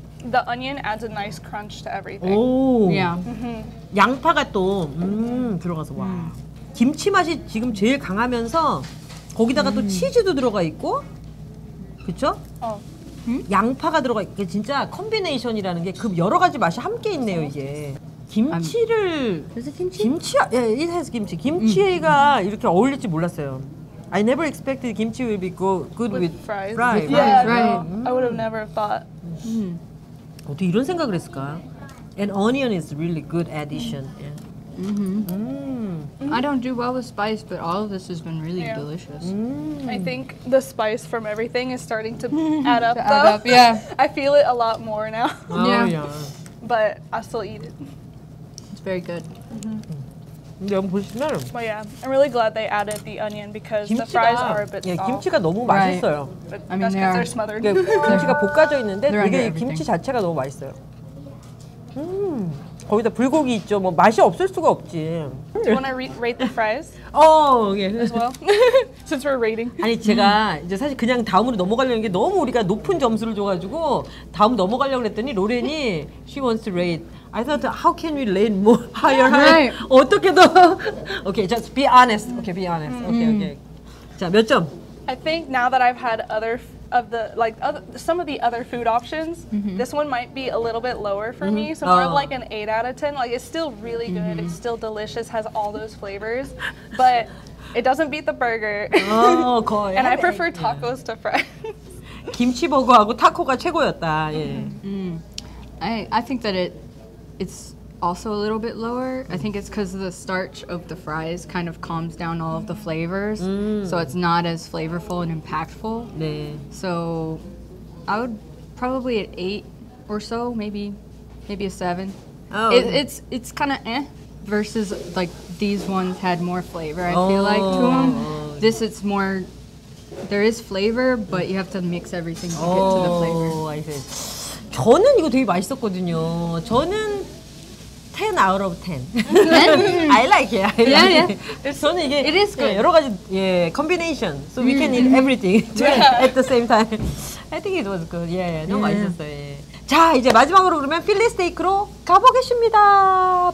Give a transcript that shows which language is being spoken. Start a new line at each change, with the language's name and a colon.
English: The onion adds a nice crunch to everything.
Korean: 오.
English: Yeah.
Korean: 양파가 또 들어가서 와. 김치 맛이 지금 제일 강하면서 거기다가 또 치즈도 들어가 있고. 그렇죠? 어. 양파가 들어가 있게 진짜 콤비네이션이라는 게 그 여러 가지 맛이 함께 있네요, 이게. 김치를 김치
English: 예, it has 김치.
Korean: 김치가 이렇게 어울릴지 몰랐어요.
English: I never expected kimchi will be good with fries. I would have never thought.
Korean: 어떻게 이런 생각을 했을까?
English: An onion is really good addition. Yeah. I don't do well with spice, but all of this has been really delicious. I think the spice from everything is starting to add up. to add up, yeah. I feel it a lot more now. Oh, yeah. But I still eat it. It's very good. But yeah, I'm really glad they added the onion because 김치가, the fries are a bit soft.
Korean: 예, 김치가 너무 맛있어요.
English: Right. But I mean, that's because they're smothered.
Korean: 그러니까 김치가 볶아져 있는데 이게 김치 자체가 너무 맛있어요. 거기다 불고기 있죠. 뭐 맛이 없을 수가 없지.
English: Do you want to rate the fries?
Korean: 어, 예.
English: As well? Since we're rating.
Korean: 아니 제가 이제 사실 그냥 다음으로 넘어가려는 게 너무 우리가 높은 점수를 줘가지고 다음 넘어가려고 했더니 로렌이
English: she wants to rate. I thought, how can we rate more higher? Right.
Korean: 어떻게 더?
English: Okay, just be honest. Okay, be honest. Okay, okay.
Korean: 자, 몇 점?
English: I think now that I've had other of the like other, some of the other food options, this one might be a little bit lower for me. So more of like an 8 out of 10. Like it's still really good. It's still delicious. Has all those flavors, but it doesn't beat the burger.
Korean: Oh, 거의.
English: And I prefer tacos to fries.
Korean: 김치 버거하고 타코가 최고였다. 예.
English: I think that it's also a little bit lower. I think it's because the starch of the fries kind of calms down all of the flavors. So it's not as flavorful and impactful.
Korean: 네.
English: So I would probably at 8 or so, maybe a 7. Oh. It's kind of eh versus like these ones had more flavor, I feel like, to them. This it's more, there is flavor, but you have to mix everything to get to the flavor. Oh, I see.
Korean: 저는 이거 되게 맛있었거든요. 저는
English: 10 out of 10. I like it. Yeah.
Korean: 저는 이게
English: it is good.
Korean: 예, 여러 가지 예, combination.
English: So we can eat everything at the same time. I think it was good.
Korean: Yeah, 너무 맛있었어요. 예. 자, 이제 마지막으로 그러면 필리 스테이크로 가보겠습니다.